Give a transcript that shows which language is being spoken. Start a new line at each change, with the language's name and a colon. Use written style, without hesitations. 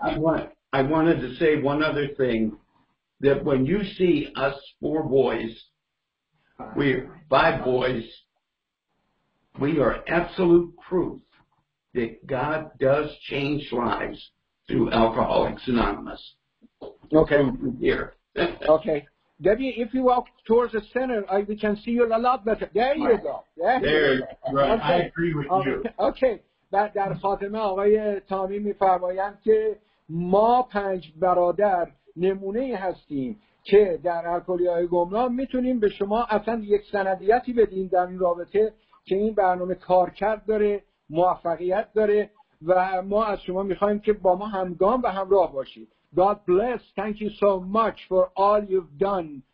English: I wanted to say one other thing, that when you see us four boys, we're five boys, we are absolute proof that God does change lives through Alcoholics Anonymous. Okay. Here. Okay. Debbie, if you walk towards the center, we can see you a lot better. There you go. Right. Okay. I agree with you. Okay.
Persian: بعد در خاتمه آقای تامی میفرمایند که ما پنج برادر نمونه هستیم که در الکلی‌های گمنام میتونیم به شما اصلا یک سندیتی بدیم در این رابطه که این برنامه کارکرد داره، موفقیت داره، و ما از شما میخواییم که با ما همگام و همراه باشید.
English: God bless. Thank you so much for all you've done.